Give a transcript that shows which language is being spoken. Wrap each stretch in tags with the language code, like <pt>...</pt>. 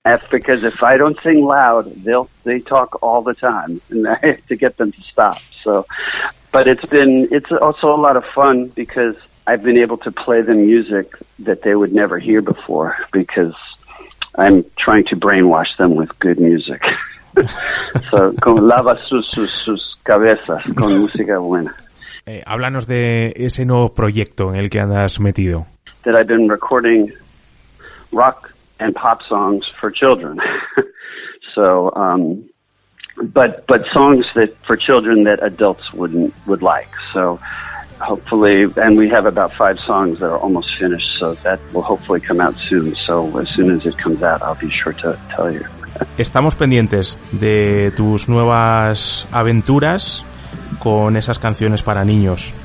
<en>Because if I don't sing loud, they talk all the time and I have to get them to stop. So, but it's also a lot of fun because I've been able to play them music that they would never hear before because I'm trying to brainwash them with good music.</en> <es>So, con lava sus cabezas con música buena. Háblanos de ese nuevo proyecto en el que andas metido.</es> <en>That I've been recording rock and pop songs for children. So, but songs that for children that adults would like. So, hopefully, and we have about 5 songs that are almost finished, so that will hopefully come out soon. So as soon as it comes out, I'll be sure to tell you.</en> <es>Estamos pendientes de tus nuevas aventuras con esas canciones para niños.</es>